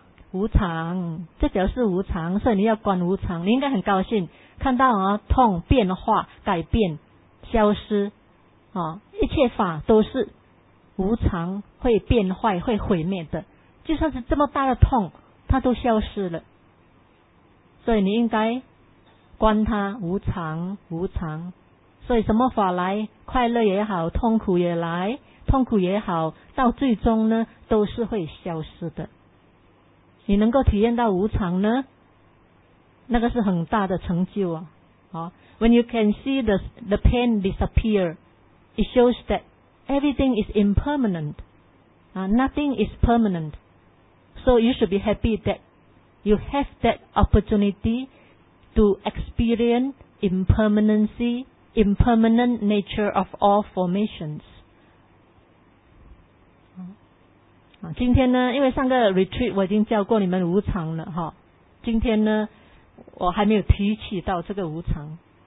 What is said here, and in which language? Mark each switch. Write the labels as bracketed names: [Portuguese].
[Chinese] 无常，这表示无常，所以你要观无常，你应该很高兴看到痛变化、改变、消失，一切法都是无常，会变坏，会毁灭的，就算是这么大的痛它都消失了，所以你应该观它无常无常。所以什么法来，快乐也好，痛苦也来，痛苦也好，到最终呢都是会消失的。你能够体验到无常呢，那个是很大的成就啊。 [English] When you can see the pain disappear, it shows thatEverything is impermanent. Nothing is permanent. So you should be happy that you have that opportunity to experience impermanency, impermanent nature of all formations. [Chinese] 今天呢，因为上个 retreat 我已经教过你们无常了哈。今天呢，我还没有提起到这个无常。